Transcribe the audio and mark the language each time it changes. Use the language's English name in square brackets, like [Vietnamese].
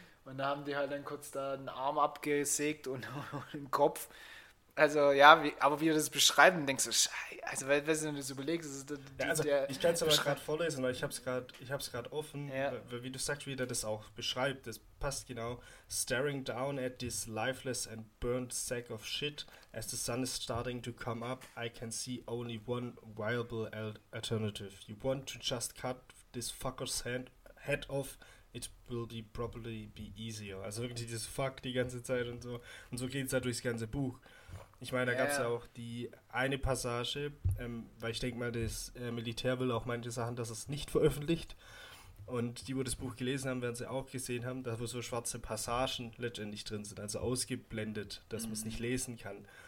[German] Und da haben die halt dann kurz da einen Arm abgesägt und den Kopf. Also, ja, aber wie wir das beschreiben, denkst du, Scheiße, also, wenn du das überlegst, ist das Ja, also ich kann es aber gerade der vorlesen, weil ich habe es gerade offen, Ja. weil, wie du sagst, wie der das auch beschreibt, das passt genau. [English] Staring down at this lifeless and burnt sack of shit, as the sun is starting to come up, I can see only one viable alternative. You want to just cut this fucker's head off, it will be probably be easier. [German] Also wirklich dieses Fuck die ganze Zeit und so. Und so geht es da durchs ganze Buch. Ich meine, da gab es ja Ja. auch die eine Passage, weil ich denke mal, das Militär will auch manche Sachen, dass es nicht veröffentlicht. Und die, wo das Buch gelesen haben, werden sie auch gesehen haben, da wo so schwarze Passagen letztendlich drin sind, also ausgeblendet, dass man es nicht lesen kann.